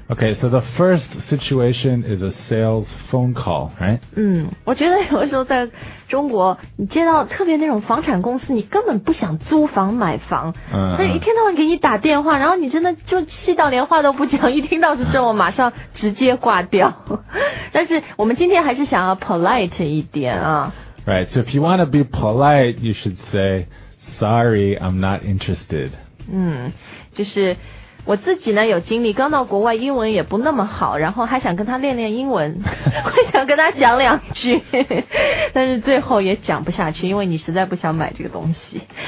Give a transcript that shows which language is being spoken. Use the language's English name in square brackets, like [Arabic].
[English] Okay, so the first situation is a sales phone call, right? [Chinese] 嗯，我觉得有的时候在中国，你接到特别那种房产公司，你根本不想租房买房，那一天到晚给你打电话，然后你真的就气到连话都不讲，一听到是这，我马上直接挂掉。但是我们今天还是想要 polite 一点啊。 [English] Right, so if you want to be polite, you should say, "Sorry, I'm not interested." [Chinese] 嗯，就是我自己呢有经历，刚到国外英文也不那么好，然后还想跟他练练英文，会想跟他讲两句，但是最后也讲不下去，因为你实在不想买这个东西。